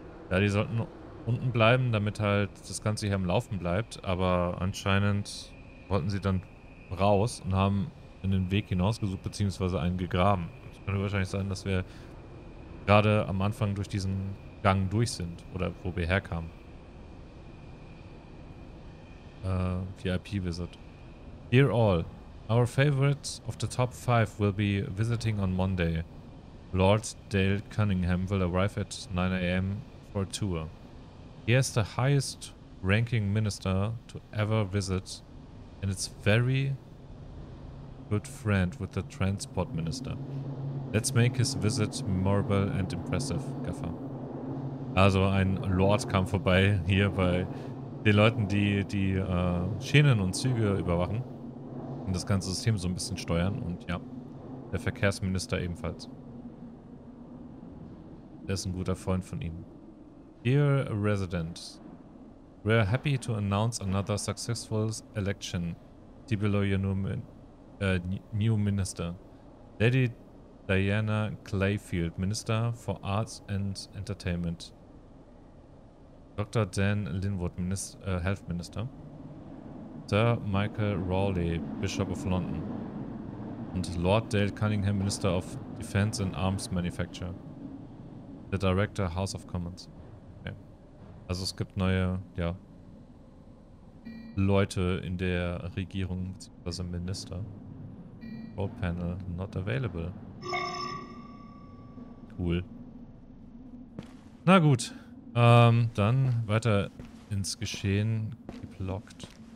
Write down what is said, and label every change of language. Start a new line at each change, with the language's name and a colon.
German: Ja, die sollten unten bleiben, damit halt das Ganze hier am Laufen bleibt, aber anscheinend wollten sie dann raus und haben in den Weg hinausgesucht, beziehungsweise einen gegraben. Es könnte wahrscheinlich sein, dass wir gerade am Anfang durch diesen Gang durch sind, oder wo wir herkamen.
English: VIP-Visit. Dear all, our favorite of the top 5 will be visiting on Monday. Lord Dale Cunningham will arrive at 9 AM for a tour. He is the highest ranking minister to ever visit and is very good friend with the transport minister. Let's make his visit memorable and impressive, Gaffer.
German: Also ein Lord kam vorbei hier bei den Leuten, die Schienen und Züge überwachen. Und das ganze System so ein bisschen steuern und ja, der Verkehrsminister ebenfalls. Er ist ein guter Freund von ihm.
English: Dear Resident, we are happy to announce another successful election. See below your new minister. Lady Diana Clayfield, Minister for Arts and Entertainment. Dr. Dan Linwood, Health Minister. Sir Michael Rowley, Bishop of London. Und Lord Dale Cunningham, Minister of Defense and Arms Manufacture. The Director, House of Commons. Okay.
German: Also es gibt neue, ja, Leute in der Regierung, beziehungsweise Minister.
English: Control Panel, not available.
German: Cool. Na gut. Dann weiter ins Geschehen.
English: Keep locked.